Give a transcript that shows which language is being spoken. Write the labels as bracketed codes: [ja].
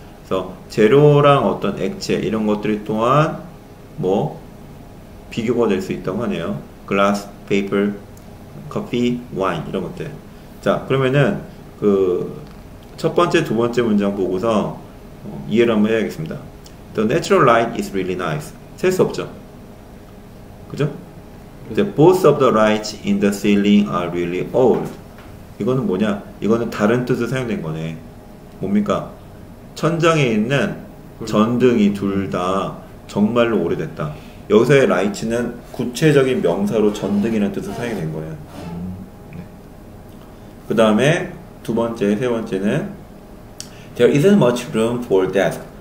[ko] 그래서 재료랑 어떤 액체 이런 것들이 또한 뭐 비교가 될 수 있다고 하네요. glass, paper, coffee, wine 이런 것들. 자, 그러면은 그 첫 번째, 두 번째 문장 보고서 이해를 한번 해야겠습니다. [en] The natural light is really nice. [ko] 셀 수 없죠. 그죠? [en] The both of the lights in the ceiling are really old. [ko] 이거는 뭐냐? 이거는 다른 뜻으로 사용된 거네. 뭡니까? 천장에 있는 전등이 둘 다 정말로 오래됐다. 여기서의 light는 구체적인 명사로 전등이라는 뜻으로 사용된 거예요. 그 다음에 두 번째, 세 번째는 [en] There isn't much room for desk.